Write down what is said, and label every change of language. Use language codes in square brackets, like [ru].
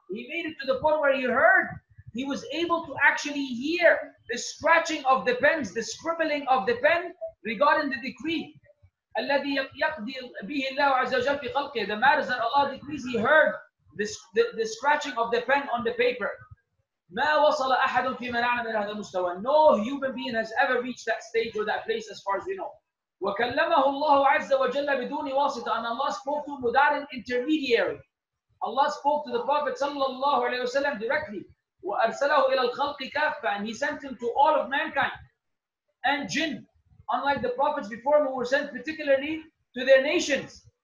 [en] He made it to the point where he heard. He was able to actually hear the scratching of the pens, the scribbling of the pen regarding the decree. [ar] الَّذِي يَقْضِي بِهِ اللَّهُ عَزَّ وَجَلَّ فِي خَلْقِهِ. [en] The matters that Allah decrees, he heard the scratching of the pen on the paper. [ar] ما وصل أحد في من أعلم من هذا المستوى. [en] No human being has ever reached that stage or that place as far as we know. [ar] وكلمه الله عز وجل بدون واسطة. [en] And Allah spoke to him without an intermediary. Allah spoke to the Prophet صلى الله عليه وسلم directly. [ar] وأرسله إلى الخلق كافة. [en] And he sent him to all of mankind and jinn. Unlike the prophets before him who were sent particularly to their nations.